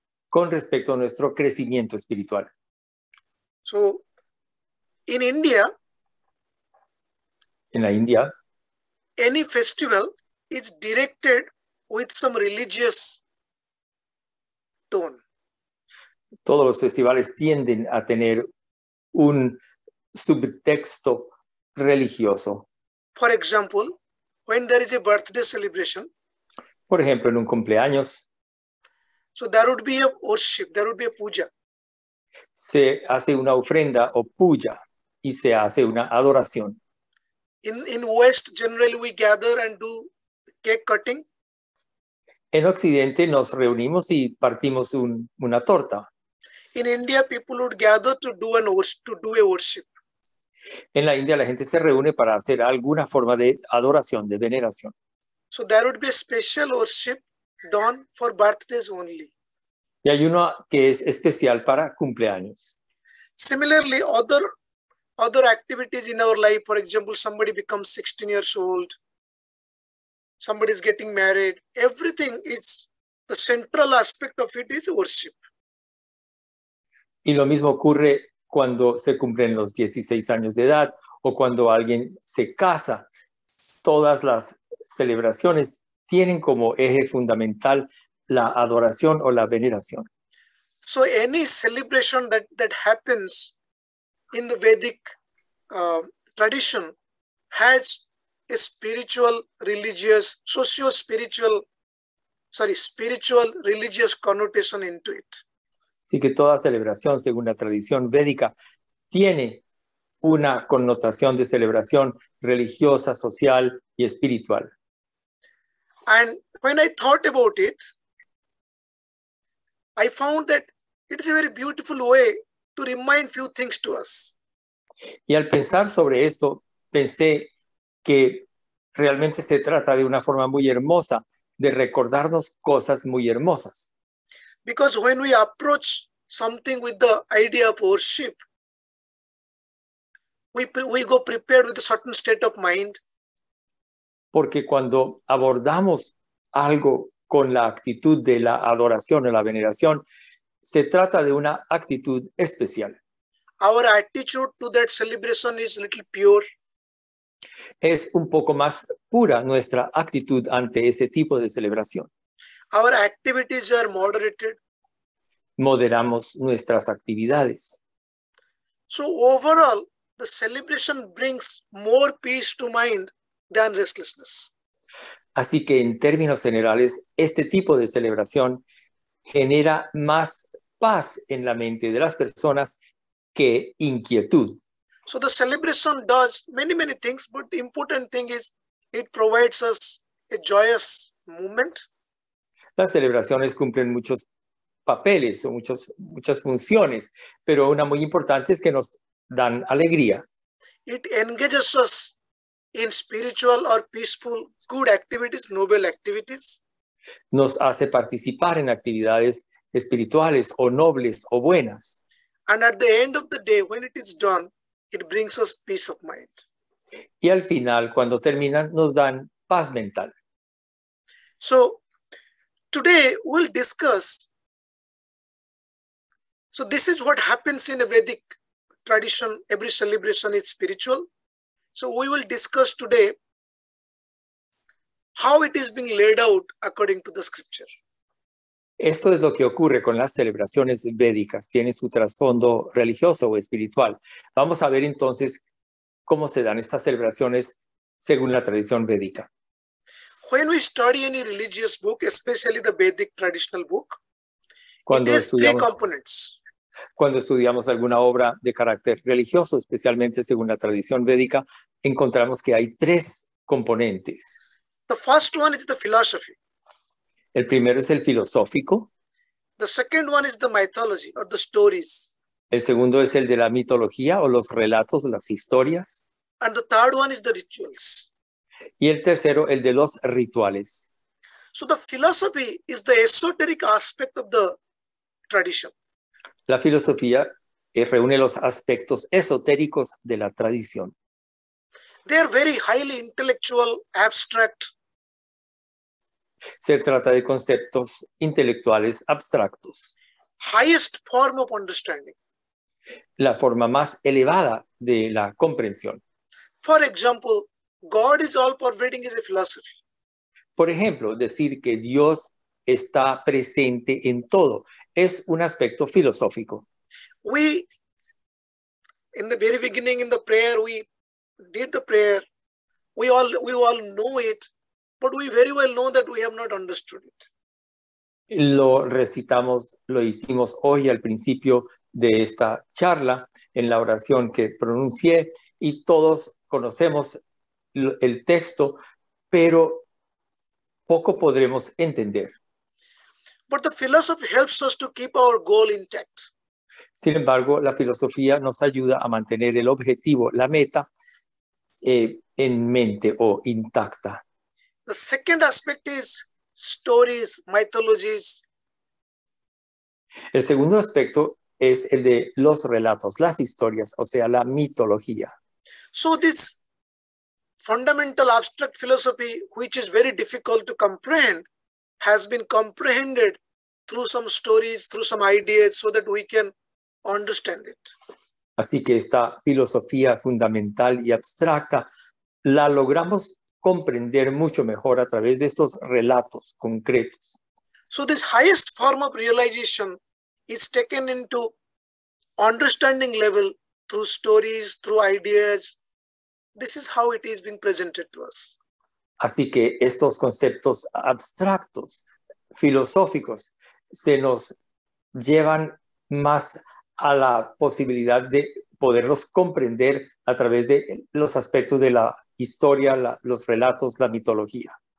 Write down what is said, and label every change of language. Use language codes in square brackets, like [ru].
[es] Con respecto a nuestro crecimiento espiritual. [en] So, in India. [es] En la India. [en] Any festival is directed with some religious tone. [es] Todos los festivales tienden a tener un subtexto religioso. [en] For example, when there is a birthday celebration. [es] Por ejemplo, en un cumpleaños. [en] So there would be a worship, there would be a puja. [es] se hace una ofrenda o puya y se hace una adoración. [en] In West, generally we gather and do cake cutting. [es] En Occidente nos reunimos y partimos una torta. [en] In India, people would gather to do a worship. [es] En la India la gente se reúne para hacer alguna forma de adoración, de veneración. [en] So there would be a special worship done for birthdays only. [es] Y hay uno que es especial para cumpleaños. [en] Similarly, other activities in our life, for example, somebody becomes 16 years old, somebody is getting married, everything is, the central aspect of it is worship. [es] Y lo mismo ocurre cuando se cumplen los 16 años de edad o cuando alguien se casa. Todas las celebraciones tienen como eje fundamental la adoración o la veneración. [en] So any celebration that happens in the Vedic tradition has a spiritual, religious, spiritual, religious connotation into it. [es] Así que toda celebración, según la tradición védica, tiene una connotación de celebración religiosa, social y espiritual. [en] And when I thought about it, I found that it is a very beautiful way to remind few things to us. [es] Y al pensar sobre esto, pensé que realmente se trata de una forma muy hermosa de recordarnos cosas muy hermosas. [en] Because when we approach something with the idea of worship, we go prepared with a certain state of mind. [es] Porque cuando abordamos algo con la actitud de la adoración o la veneración, se trata de una actitud especial. [en] Our attitude to that celebration is a little pure. [es] Es un poco más pura nuestra actitud ante ese tipo de celebración. [en] Our activities are moderated. [es] Moderamos nuestras actividades. [en] So overall, the celebration brings more peace to mind than restlessness. [es] Así que en términos generales, este tipo de celebración genera más paz en la mente de las personas que inquietud. [en] So the celebration does many, many things, but the important thing is it provides us a joyous moment. [es] Las celebraciones cumplen muchos papeles o muchas funciones, pero una muy importante es que nos dan alegría. [en] It engages us in spiritual or peaceful, good activities, noble activities. [es] Nos hace participar en actividades espirituales o nobles o buenas. [en] And at the end of the day, when it is done, it brings us peace of mind. [es] Y al final, cuando terminan, nos dan paz mental. [en] So, today we'll discuss. So this is what happens in a Vedic tradition. Every celebration is spiritual. So we will discuss today how it is being laid out according to the scripture. [es] Esto es lo que ocurre con las celebraciones védicas. Tiene su trasfondo religioso o espiritual. Vamos a ver entonces cómo se dan estas celebraciones según la tradición védica. [en] When we study any religious book, especially the Vedic traditional book, three components. [es] Cuando estudiamos alguna obra de carácter religioso, especialmente según la tradición védica, encontramos que hay tres componentes. [en] The first one is the philosophy. [es] El primero es el filosófico. [en] The second one is the mythology or the stories. [es] El segundo es el de la mitología o los relatos, las historias. [en] And the third one is the rituals. [es] Y el tercero, el de los rituales. [en] So the philosophy is the esoteric aspect of the tradition. [es] La filosofía reúne los aspectos esotéricos de la tradición. [en] They are very highly intellectual, abstract. [es] Se trata de conceptos intelectuales abstractos. [en] Highest form of understanding. [es] La forma más elevada de la comprensión. [en] For example, God is all pervading is a philosophy. [es] Por ejemplo, decir que Dios está presente en todo. Es un aspecto filosófico. [en] In the very beginning, in the prayer, we did the prayer. We all know it, but we very well know that we have not understood it. [es] lo recitamos, lo hicimos hoy al principio de esta charla, en la oración que pronuncié, y todos conocemos el texto, pero poco podremos entender. [en] But the philosophy helps us to keep our goal intact. [es] Sin embargo, la filosofía nos ayuda a mantener el objetivo, la meta, en mente o intacta. [en] The second aspect is stories, mythologies. [es] El segundo aspecto es el de los relatos, las historias, o sea, la mitología. [en] So this fundamental abstract philosophy, which is very difficult to comprehend, has been comprehended through some stories, through some ideas, so that we can understand it. [es] Así que esta filosofía fundamental y abstracta la logramos comprender mucho mejor a través de estos relatos concretos. [en] So this highest form of realization is taken into understanding level through stories, through ideas. This is how it is being presented to us. [es] Así que estos conceptos abstractos, filosóficos, se nos llevan más a la posibilidad de poderlos comprender a través de los aspectos de la historia, los relatos, la mitología.